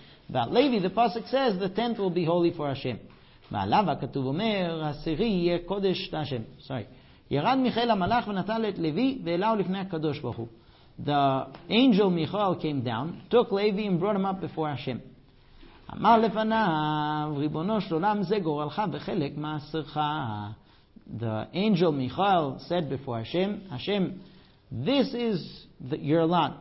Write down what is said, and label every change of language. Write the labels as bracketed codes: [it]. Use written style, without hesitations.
[en] But Levi, the pasuk says, the 10th will be holy for Hashem. [he] ועליו הכתוב אומר, הסירי יהיה קודש להשם. [en] Sorry. [he] ירד מיכאל המלאך ונטל את לוי ואלהו לפני הקדוש ברוך הוא. [en] The angel Michael came down, took Levi and brought him up before Hashem. [he] אמר לפניו, ריבונו של עולם זה גורלך וחלק מעשרך. [en] The angel Michael said before Hashem, Hashem, this is your lot.